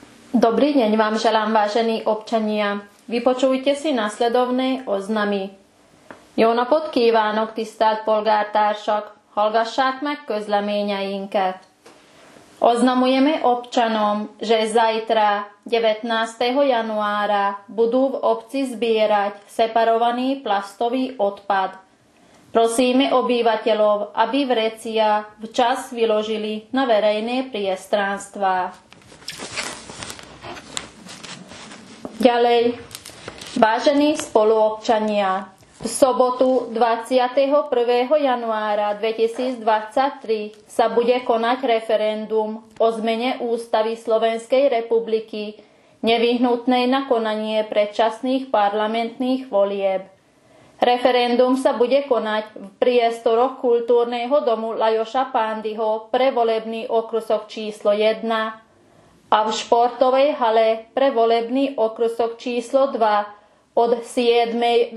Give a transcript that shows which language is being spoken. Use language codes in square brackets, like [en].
[sk] Dobrý deň vám želám, vážení občania. Vypočujte si nasledovné oznamy. [hu] Jó napot kívánok, tisztelt polgártársak! Hallgassák meg közleményeinket! [sk] Oznamujeme občanom, že zajtra, 19. januára, budú v obci zbierať separovaný plastový odpad. Prosíme obyvateľov, aby vrecia včas vyložili na verejné priestranstvá. Ďalej, vážení spoluobčania, v sobotu 21. januára 2023 sa bude konať referendum o zmene ústavy Slovenskej republiky nevyhnutnej na konanie predčasných parlamentných volieb. Referendum sa bude konať v priestoroch kultúrneho domu Lajoša Pándyho pre volebný okrsok číslo 1 a v športovej hale pre volebný okrsok číslo 2 od 7.